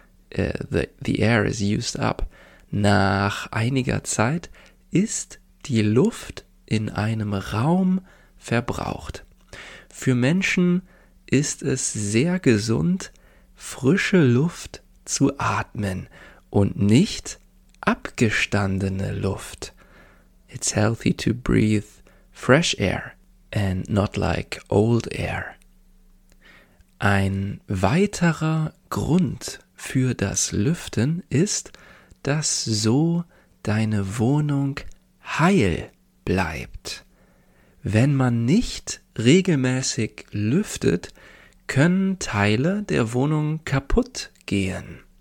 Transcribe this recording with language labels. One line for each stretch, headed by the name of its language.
English: The air is used up.
German: Nach einiger Zeit ist die Luft in einem Raum verbraucht. Für Menschen ist es sehr gesund, frische Luft zu atmen und nicht abgestandene Luft.
English: It's healthy to breathe fresh air and not like old air.
German: Ein weiterer Grund für das Lüften ist, dass so deine Wohnung heil bleibt. Wenn man nicht regelmäßig lüftet, können Teile der Wohnung kaputt gehen.